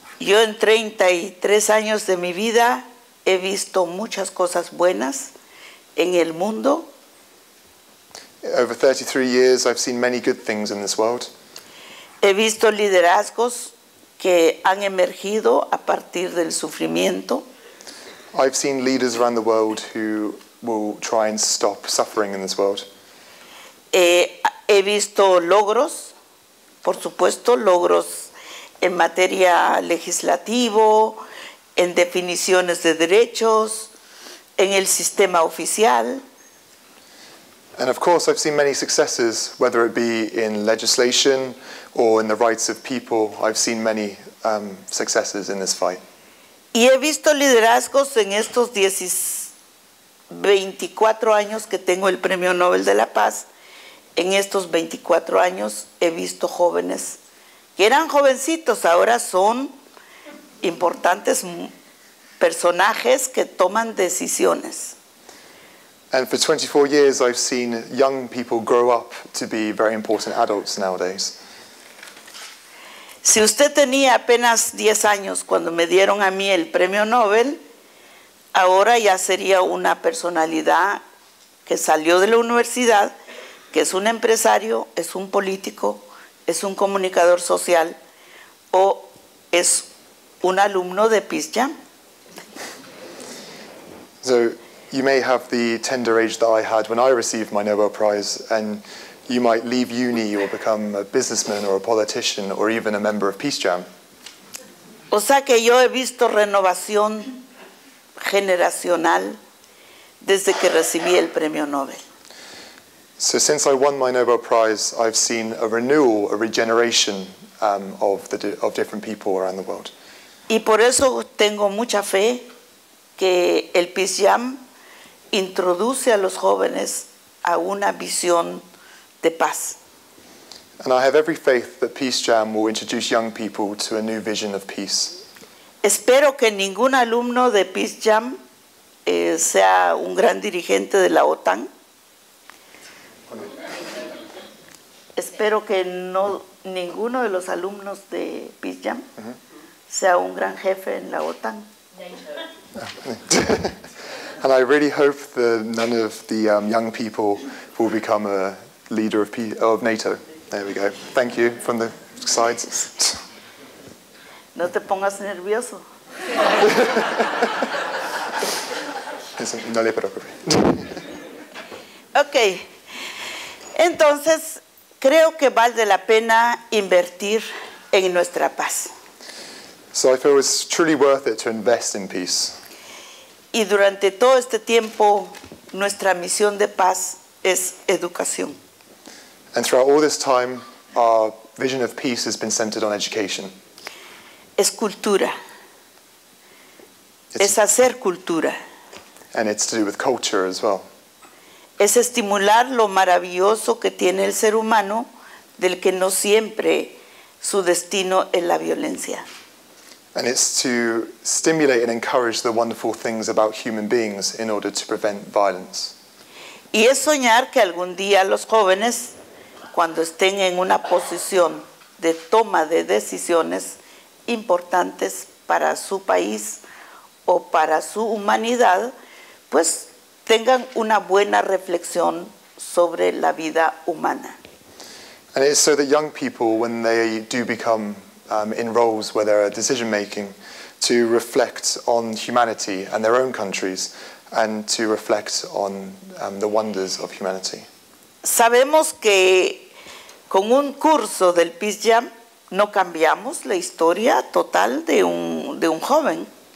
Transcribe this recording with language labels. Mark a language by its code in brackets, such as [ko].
[es] Yo en 33 años de mi vida he visto muchas cosas buenas en el mundo. [en] Over 33 years I've seen many good things in this world. [es] He visto liderazgos que han emergido a partir del sufrimiento. [en] I've seen leaders around the world who will try and stop suffering in this world. [es] He visto logros, por supuesto, logros en materia legislativo, en definiciones de derechos, en el sistema oficial. [en] And of course I've seen many successes, whether it be in legislation or in the rights of people. I've seen many successes in this fight. [es] Y he visto liderazgos en estos 24 años que tengo el Premio Nobel de la Paz. En estos 24 años he visto jóvenes que eran jovencitos, ahora son importantes personajes que toman decisiones. [en] And for 24 years I've seen young people grow up to be very important adults nowadays. [es] Si usted tenía apenas 10 años cuando me dieron a mí el Premio Nobel, ahora ya sería una personalidad que salió de la universidad, que es un empresario, es un político, es un comunicador social o es un alumno de Peace Jam. [en] So you may have the tender age that I had when I received my Nobel Prize, and you might leave uni or become a businessman or a politician or even a member of Peace Jam. [es] O sea que yo he visto renovación generacional desde que recibí el Premio Nobel. [en] So since I won my Nobel Prize, I've seen a renewal, a regeneration of different people around the world. [es] Y por eso tengo mucha fe que el Peace Jam introduce a los jóvenes a una visión de paz. [en] And I have every faith that Peace Jam will introduce young people to a new vision of peace. [es] Espero que ningún alumno de Peace Jam sea un gran dirigente de la OTAN. Espero que no ninguno de los alumnos de Peace Jam sea un gran jefe en la OTAN. [en] And I really hope that none of the young people will become a leader of NATO. There we go. Thank you from the sides. [es] No te pongas nervioso. No le preocupes. [en] Okay. [es] Entonces, creo que vale la pena invertir en nuestra paz. [en] So I feel it's truly worth it to invest in peace. [es] Y durante todo este tiempo, nuestra misión de paz es educación. [en] And throughout all this time, our vision of peace has been centered on education. [es] Es cultura. Es hacer cultura. [en] And it's to do with culture as well. [es] Es estimular lo maravilloso que tiene el ser humano, del que no siempre su destino es la violencia. [en] And it's to stimulate and encourage the wonderful things about human beings in order to prevent violence. [es] Y es soñar que algún día los jóvenes, cuando estén en una posición de toma de decisiones importantes para su país o para su humanidad, pues tengan una buena reflexión sobre la vida humana. [en] And it's so that young people, when they do become in roles where they're decision making, to reflect on humanity and their own countries, and to reflect on the wonders of humanity. [es] Sabemos que con un curso del Peace Jam no cambiamos la historia total de un joven.